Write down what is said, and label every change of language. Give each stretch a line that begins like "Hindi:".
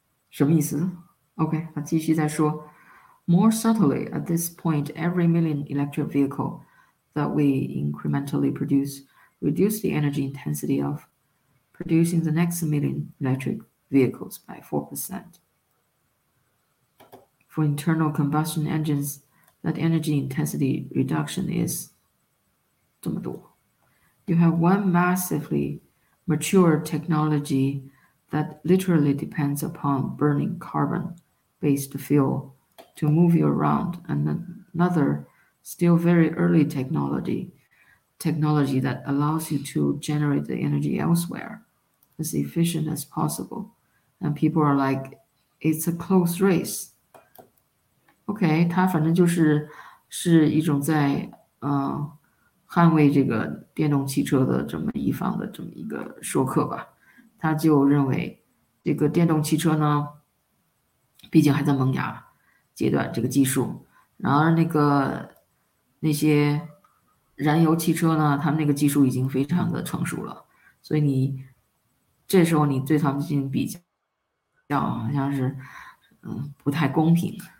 Chinese: 什么意思 ？OK， 那继续再说。
English: More subtly, at this point, every million electric vehicle that we incrementally produce reduce the energy intensity of producing the next million electric vehicles by 4%. For internal combustion engines, that energy intensity reduction is
Chinese: 这么多。
English: You have one massively mature technology. That literally depends upon burning carbon-based fuel to move you around, and another still very early technology that allows you to generate the energy elsewhere as efficient as possible. And people are like, it's a close race.
Chinese: Okay, 它反正就是一种在捍卫这个电动汽车的这么一方的这么一个说客吧。他就认为这个电动汽车呢毕竟还在萌芽阶段，这个技术，然而那些燃油汽车呢，他们那个技术已经非常的成熟了，所以你这时候你对他们进行比较好像是不太公平。